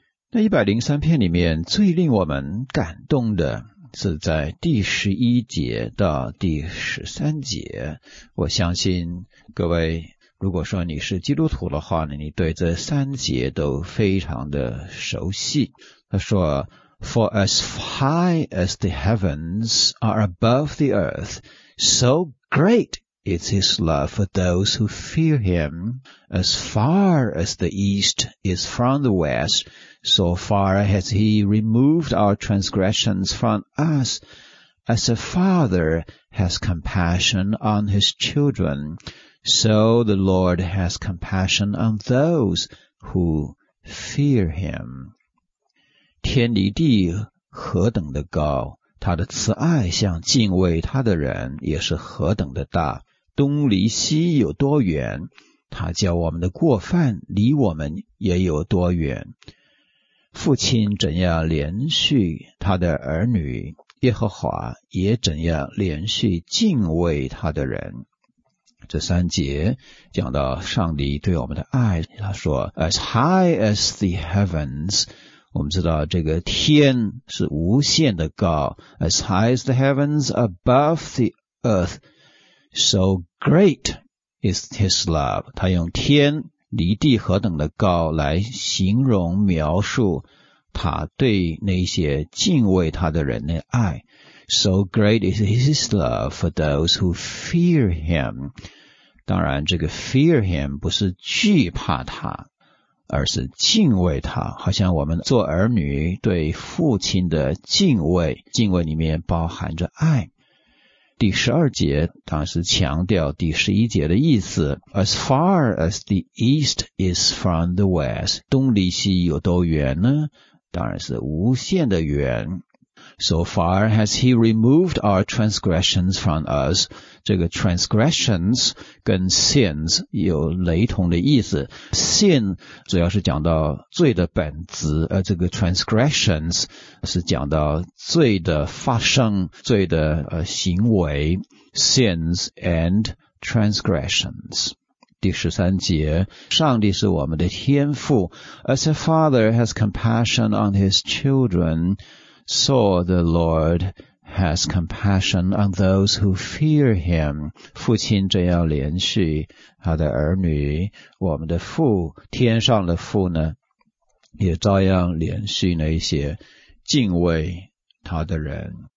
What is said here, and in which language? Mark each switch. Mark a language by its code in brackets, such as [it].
[zh] 那103篇里面最令我们感动的是在第11节到第13节，我相信各位如果说你是基督徒的话呢，你对这三节都非常的熟悉。他说 [en] For as high as the heavens are above the earth, so great is his love for those who fear him. As far as the east is from the west, so far has he removed our transgressions from us. As a father has compassion on his children, so the Lord has compassion on those who fear him. [zh] 天离地何等的高，他的慈爱向敬畏他的人也是何等的大，东离西有多远，他叫我们的过犯离我们也有多远。父亲怎样连续他的儿女，耶和华也怎样连续敬畏他的人。这三节讲到上帝对我们的爱，他说 [en] As high as the heavens， [zh] 我们知道这个天是无限的高， [en] As high as the heavens above the earth， So great is his love， [zh] 他用天离地何等的高来形容描述他对那些敬畏他的人的爱。 [en] So great is his love for those who fear him. [zh] 当然这个 [en] fear him [zh] 不是惧怕他，而是敬畏他，好像我们做儿女对父亲的敬畏，敬畏里面包含着爱。第十二节当时强调第十一节的意思， [en] As far as the east is from the west， [zh] 东离西有多远呢？当然是无限的远。 [en] So far has he removed our transgressions from us， [zh] 这个 transgressions 跟 sins 有雷同的意思， sin 主要是讲到罪的本质，而这个 transgressions 是讲到罪的发生，罪的行为， [en] sins and transgressions。 [zh] 第十三节，上帝是我们的天父， [en] As a father has compassion on his children, so the Lord has compassion on those who fear him. [zh] 父亲这样怜恤他的儿女，我们的父，天上的父呢，也照样怜恤那些敬畏他的人。